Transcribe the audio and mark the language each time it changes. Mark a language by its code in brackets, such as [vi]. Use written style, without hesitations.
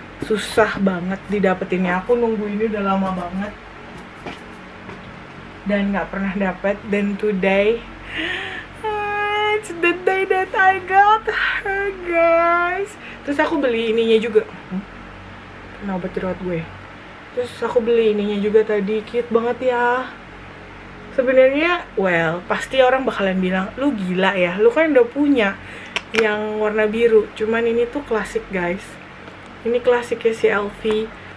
[id] Susah banget didapetinnya. Aku nunggu ini udah lama banget dan gak pernah dapet. [en] Then today, it's the day that I got her guys. [id] Terus aku beli ininya juga. Penobat jerawat gue. Terus aku beli ininya juga tadi. Cute banget ya. Sebenarnya, well, pasti orang bakalan bilang, lu gila ya, lu kan udah punya yang warna biru. Cuman ini tuh klasik, guys. Ini klasiknya si Elvi.